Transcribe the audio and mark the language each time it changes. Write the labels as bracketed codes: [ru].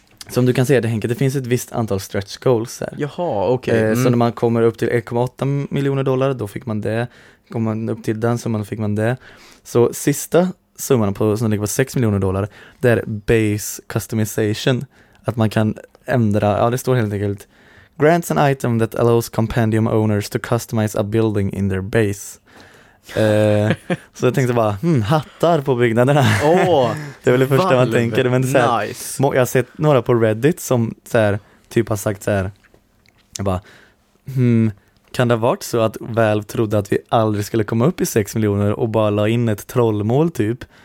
[sv] Som du kan se det, Henke, det finns ett visst antal stretch goals här. Jaha, okej. Så när man kommer upp till $1.8 miljoner, då fick man det. Kommer man upp till den summan, fick man det. Så sista summan på, som ligger på $6 miljoner, det är base customization. Att man kan ändra, ja, det står helt enkelt. [en] Grants an item that allows compendium owners to customize a building in their base. [sv] så jag tänkte bara, hattar på byggnaderna. Det är väl det första man tänker, men så här, [en] nice. [sv] Jag har sett några på Reddit som så här, typ har sagt så här, jag bara, kan det ha varit så att Valve trodde att vi aldrig skulle komma upp i 6 miljoner och bara la in ett trollmål typ?